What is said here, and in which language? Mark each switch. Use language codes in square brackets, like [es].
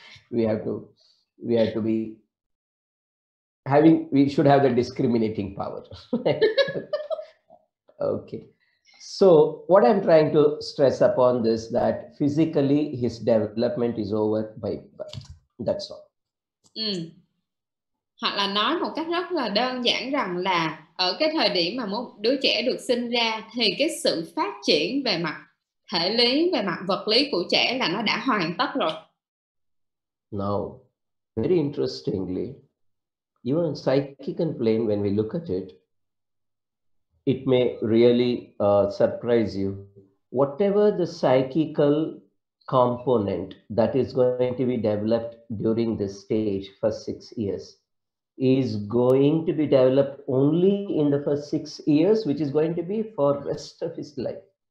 [en] We have to be having, we should have the discriminating power. Okay. So what I'm trying to stress upon this, that physically his development is over by birth. That's all. [vi] Hoặc là nói một cách rất là đơn giản rằng là ở cái thời điểm mà một đứa trẻ được sinh ra thì cái sự phát triển về mặt thể lý, về mặt vật lý của trẻ là nó đã hoàn tất rồi. [en] Now, very interestingly, even on psychic and plane, when we look at it, it may really surprise you. Whatever the psychical component that is going to be developed during this stage, first 6 years, is going to be developed only in the first 6 years, which is going to be for rest of his life.